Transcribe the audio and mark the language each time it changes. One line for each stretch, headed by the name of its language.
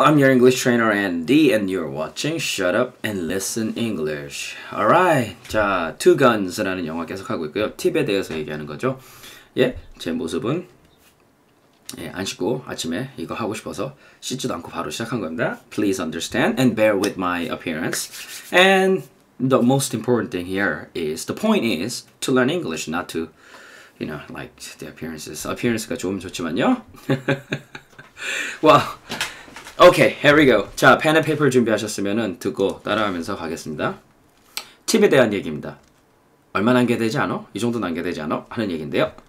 English: I'm your English trainer, Andy, and you're watching Shut Up and Listen English.
Korean: Alright, 자, Two Guns라는 영화 계속하고 있고요. 팁에 대해서 얘기하는 거죠. 예, 제 모습은 예, 안 씻고 아침에 이거 하고 싶어서 씻지도 않고 바로 시작한 겁니다.
English: Please understand and bear with my appearance. And the most important thing here is, the point is to learn English, not to, you know, like the appearances. Appearance가
Korean: 좋으면 좋지만요.
English: Well, okay, here we go.
Korean: 자, pen and paper 준비하셨으면 듣고 따라하면서 가겠습니다. 팁에 대한 얘기입니다. 얼마 남겨되지 않아? 이 정도 남겨되지 않아? 하는 얘기인데요.